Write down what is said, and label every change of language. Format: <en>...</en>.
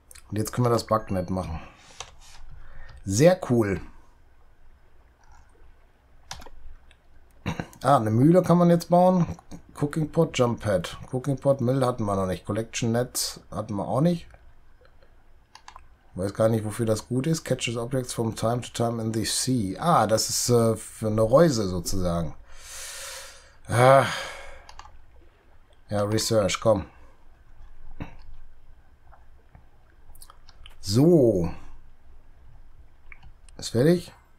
<de>Und jetzt können wir das Bugnet machen. Sehr cool. Ah, eine Mühle kann man jetzt bauen. Cooking Pot, Jump Pad. Cooking Pot, Mill hatten wir noch nicht. Collection Nets hatten wir auch nicht. Weiß gar nicht, wofür das gut ist.</de> <en>Catches Objects from time to time in the sea.</en> <de>Ah, das ist für eine Reuse sozusagen. Ah. Ja, Research, komm. So. Ist fertig?</de>